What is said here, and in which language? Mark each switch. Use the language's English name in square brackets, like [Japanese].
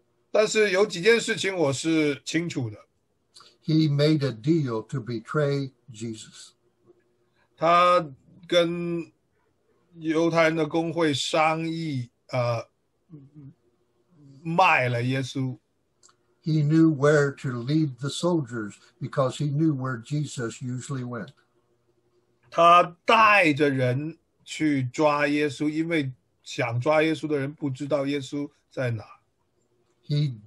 [Chinese] 但是有几件事情我是清楚的。 [English] He made a deal to betray Jesus. [Chinese] 他跟犹太人的工会商议，卖了耶稣。 [English] He knew where to lead the soldiers because he knew where Jesus usually went. [Chinese] 他带着人去抓耶稣，因为想抓耶稣的人不知道耶稣在哪。 [English] He